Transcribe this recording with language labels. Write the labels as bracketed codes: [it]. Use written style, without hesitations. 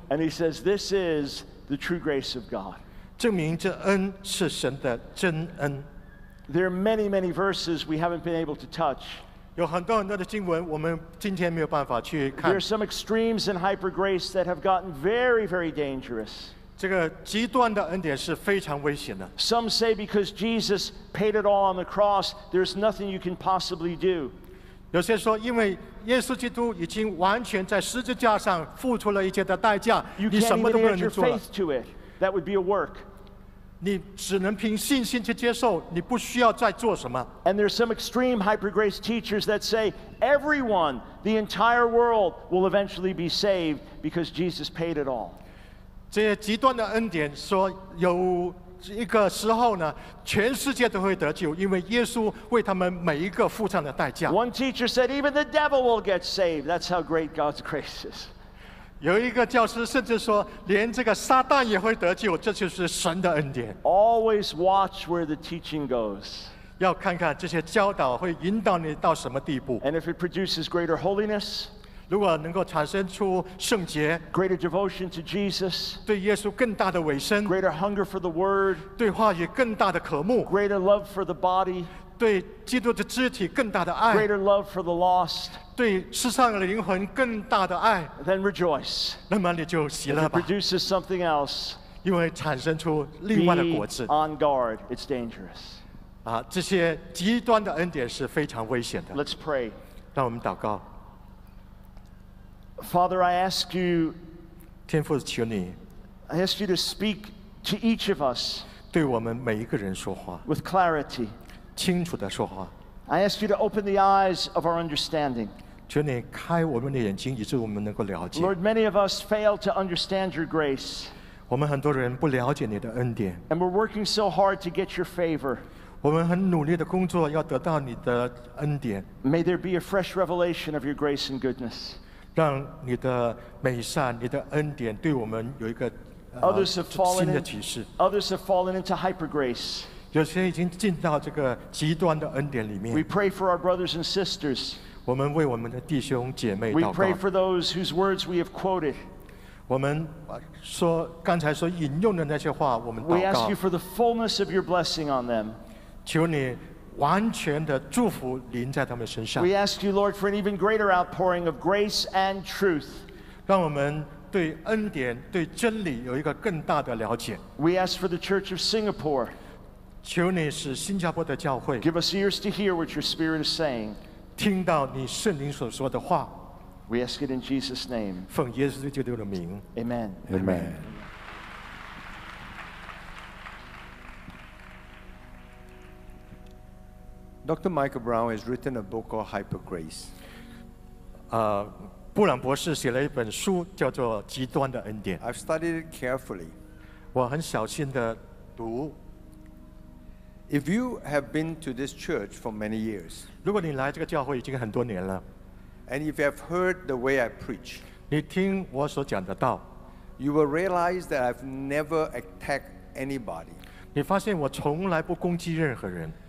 [en] And he says, this is the true grace of God. [zh] 证明这恩是神的真恩。 [en] There are many, many verses we haven't been able to touch. [zh] 有很多很多的经文，我们今天没有办法去看。 [en] There are some extremes in hyper grace that have gotten very, very dangerous. [zh] 这个极端的恩典是非常危险的。 [en] Some say because Jesus paid it all on the cross, there's nothing you can possibly do. [zh] 有些说，因为耶稣基督已经完全在十字架上付出了一切的代价，你什么都不能做了。 [en] You can't even add your faith to it. That would be a work. [zh] 你只能凭信心去接受，你不需要再做什么。 [en] And there's some extreme hyper grace teachers that say everyone, the entire world, will eventually be saved because Jesus paid it all. [zh] 这些极端的恩典说，有一个时候呢，全世界都会得救，因为耶稣为他们每一个付上了代价。 [en] One teacher said even the devil will get saved. That's how great God's grace is. [zh] 有一个教师甚至说连这个撒旦也会得救，这就是神的恩典。 [en] Always watch where the teaching goes. [zh] 要看看这些教导会引导你到什么地步。 [en] And if it produces greater holiness, [zh] 如果能够产生出圣洁， [en] greater devotion to Jesus, [zh] 对耶稣更大的委身， [en] greater hunger for the word, [zh] 对话语更大的渴慕， [en] greater love for the body, [zh] 对基督的肢体更大的爱， [en] greater love for the lost, [zh] 对世上的灵魂更大的爱， [en] then rejoice. [zh] 那么你就喜乐吧。 [en] If it produces something else, [zh] 因为产生出另外的果子。 [en] Be on guard. It's dangerous. [zh] 啊，这些极端的恩典是非常危险的。 [en] Let's pray. [zh] 让我们祷告。 [en] Father, I ask you. [zh] 天父，求你。 [en] I ask you to speak to each of us. [zh] 对我们每一个人说话。 [en] With clarity. [zh] 清楚地说话。 [en] I ask you to open the eyes of our understanding. [zh] 求你开我们的眼睛，以致我们能够了解。 [en] Lord, many of us fail to understand your grace. [zh] 我们很多人不了解你的恩典。 [en] And we're working so hard to get your favor. [zh] 我们很努力的工作，要得到你的恩典。 [en] May there be a fresh revelation of your grace and goodness. [zh] 让你的美善，你的恩典对我们有一个新的启示。 [en] Others have fallen into hyper grace. [zh] 有些已经进到这个极端的恩典里面。 [en] We pray for our brothers and sisters. [zh] 我们为我们的弟兄姐妹祷告。 [en] We pray for those whose words we have quoted. [zh] 我们说刚才所引用的那些话，我们祷告。 [en] We ask you for the fullness of your blessing on them. [zh] 求你完全的祝福临在他们身上。 [en] We ask you, Lord, for an even greater outpouring of grace and truth. [zh] 让我们对恩典、对真理有一个更大的了解。 [en] We ask for the Church of Singapore. [zh] 求你使新加坡的教会 [en] Give us ears to hear what your spirit is saying. [zh] 听到你圣灵所说的话。 [en] We ask it in Jesus' name. [zh] 奉耶稣基督的名。 [en] Amen. Amen. Dr. Michael Brown has written a book called Hyper Grace. [zh] 布朗博士写了一本书叫做《极端的恩典》。 [en] I've studied it carefully. [zh] 我很小心地读。 [en] If you have been to this church for many years, [zh] 如果你来这个教会已经很多年了， [en] and if you have heard the way I preach, [zh] 你听我所讲的道， [en] you will realize that I've never attacked anybody. [zh] 你发现我从来不攻击任何人。